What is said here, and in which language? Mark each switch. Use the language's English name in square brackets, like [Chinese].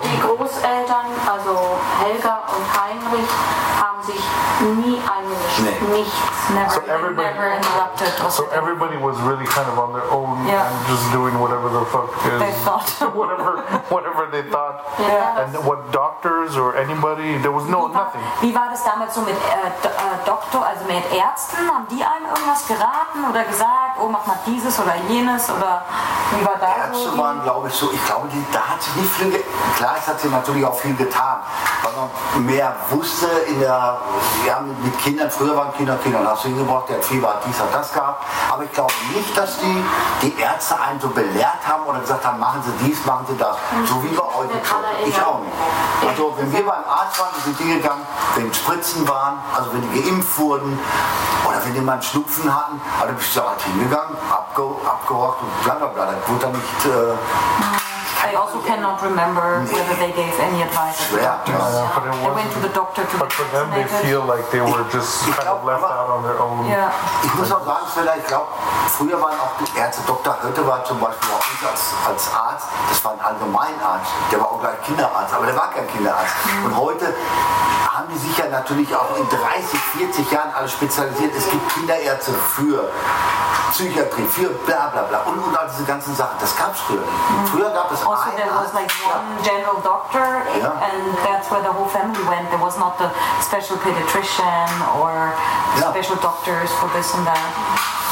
[German] Die Großeltern, also Helga und Heinrich, haben sich nie eingemischt. Nee. Nichts. [English] Never interrupted. So everybody was really kind of on their own and just doing whatever the fuck they thought. whatever they thought. Yeah. And what doctors or anybody, there was nothing. [German] Wie war das damals so mit Doktor, also mit Ärzten? Haben die einem irgendwas geraten oder gesagt, oh, mach mal dieses oder jenes? Oder wie war da? Ärzte waren, glaube ich, so. Ich glaube, da hat sie nicht viel getan. Klar, es hat sie natürlich auch viel getan. Weil man mehr wusste in der. Wir haben mit Kindern, früher waren Kinder, hast du hingebracht, der hat Fieber, dies hat das gehabt. Aber ich glaube nicht, dass die Ärzte einen so belehrt haben oder gesagt haben, machen Sie dies, machen Sie das. So wie bei euch. Ich auch nicht. Also wenn wir beim Arzt waren, sind die gegangen, wenn Spritzen waren, also wenn die geimpft wurden oder wenn die mal einen Schnupfen hatten, dann bist du halt hingegangen, abgehorcht und blablabla. Das wurde dann nicht... [English] I also cannot remember whether they gave any advice to the doctors. They went to the doctor to get vaccinated. But for them, they feel like they were just kind of left out on their own. Yeah. [German] Ich muss auch sagen, vielleicht, ich glaube, früher waren auch die Ärzte, Dr. Hötte war zum Beispiel auch nicht als Arzt, das war ein Allgemeinarzt, der war auch gleich Kinderarzt, aber der war kein Kinderarzt. Mhm. Und heute haben die sich ja natürlich auch in 30, 40 Jahren alles spezialisiert. Es gibt Kinderärzte für Psychiatrie, für bla bla bla und all diese ganzen Sachen. Das gab es früher. Früher gab es [English] also there was like one general doctor and that's where the whole family went. There was not the special pediatrician or special doctors for this and that.